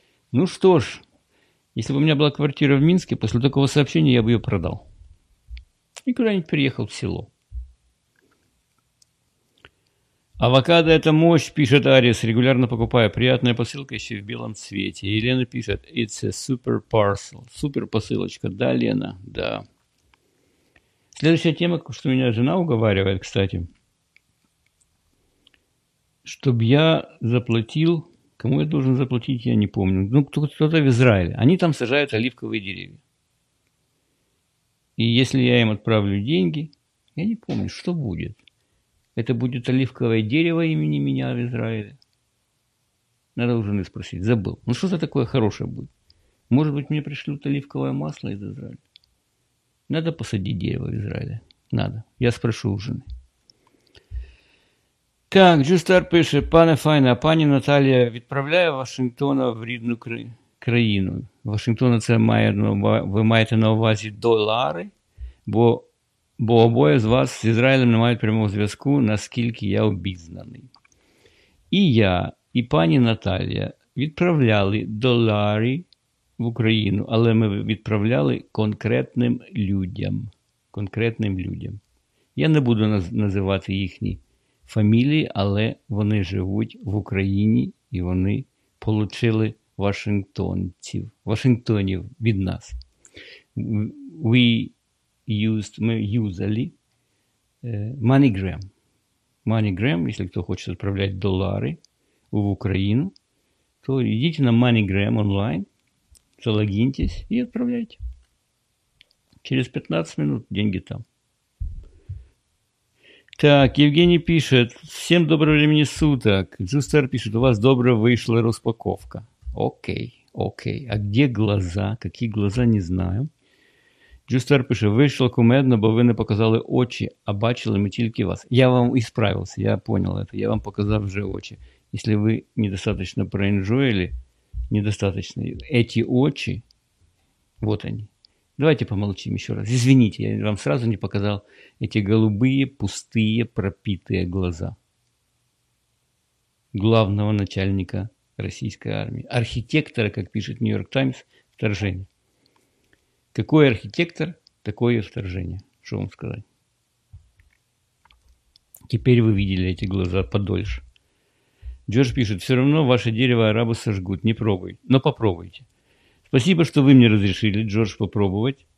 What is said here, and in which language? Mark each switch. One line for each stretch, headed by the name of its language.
Russian: Ну что ж, если бы у меня была квартира в Минске, после такого сообщения я бы ее продал. И куда-нибудь переехал в село. Авокадо – это мощь, пишет Арис, регулярно покупая. Приятная посылка еще в белом цвете. Елена пишет,
English: it's a super parcel.
Russian: Супер посылочка. Да, Лена? Да. Следующая тема, что меня жена уговаривает, кстати. Чтобы я заплатил, кому я должен заплатить, я не помню. Ну, кто-то в Израиле. Они там сажают оливковые деревья. И если я им отправлю деньги, я не помню, что будет. Это будет оливковое дерево имени меня в Израиле? Надо у жены спросить. Забыл. Ну, что-то такое хорошее будет. Может быть, мне пришлют оливковое масло из Израиля? Надо посадить дерево в Израиле. Надо. Я спрошу у жены. Так, Джустар пишет.
Ukrainian: Пане Файна, пані Наталія, відправляю Вашингтона в рідну країну. Вашингтона це має, ви маєте на увазі долари? Бо обоє з вас з Ізраїлем не мають прямого зв'язку, наскільки я обізнаний. І я, і пані Наталія відправляли долари в Україну, але ми відправляли конкретним людям. Конкретним людям. Я не буду називати їхні фамілії, але вони живуть в Україні, і вони отримали вашингтонців, вашингтонів від нас. Ми юзали MoneyGram.
Russian: MoneyGram, если кто хочет отправлять доллары в Украину, то идите на MoneyGram онлайн, залогиньтесь и отправляйте. Через 15 минут деньги там. Так, Евгений пишет. Всем доброго времени суток. Джустер пишет. У вас добро вышла распаковка. Окей, окей. А где глаза? Какие глаза, не знаю.
Ukrainian: Джустер пише, вийшло кумедно, бо ви не показали очі, а бачили ми тільки вас. Я вам ісправився, я поняв це, я вам показав вже очі. Якщо ви недостатньо проінжуєли, недостатньо, ці очі, от вони.
Russian: Давайте
Ukrainian: помолчимо ще раз.
Russian: Извините, я вам сразу не
Ukrainian: показав ці
Russian: голубые, пустые, пропитые глаза главного начальника
Ukrainian: російської армії. Архітектора, як пише Нью-Йорк Таймс, вторження.
Russian: Какой архитектор, такое вторжение. Что вам сказать? Теперь вы видели эти глаза подольше. Джордж пишет, все равно ваше дерево арабы сожгут. Не пробуй, но попробуйте. Спасибо, что вы мне разрешили, Джордж, попробовать.